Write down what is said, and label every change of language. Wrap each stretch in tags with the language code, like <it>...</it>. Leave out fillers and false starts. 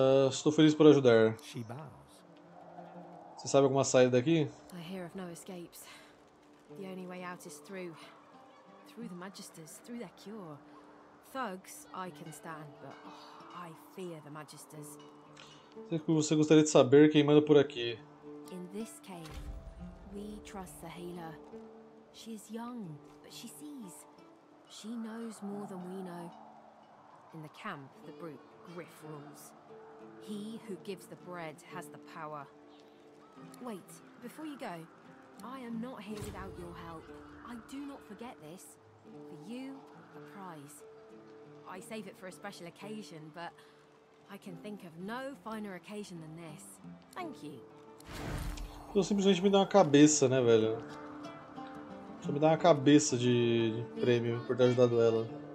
<pt>Estou feliz por ajudar.</pt> <en>She bows.</en> <pt>Você sabe alguma saída daqui?</pt> <en>I hear of no escapes. The only way out is through. Through the Magisters, through their cure. Thugs, I can stand, but oh, I fear the Magisters.</en> <pt>Você gostaria de saber quem manda por aqui?</pt> <en>In this cave, we trust the healer. She is young, but she sees. She knows more than we know. In the camp, the brute Griff rules. He who gives the bread has the power. Wait, before you go, I am not here without your help. I do not forget this. For you, a prize. I save it for a special occasion, but I can think of no finer occasion than this. Thank you.</en> <pt>Eu simplesmente me dá uma cabeça, né, velho? Só me dá uma cabeça de prêmio por ter ajudado ela.</pt>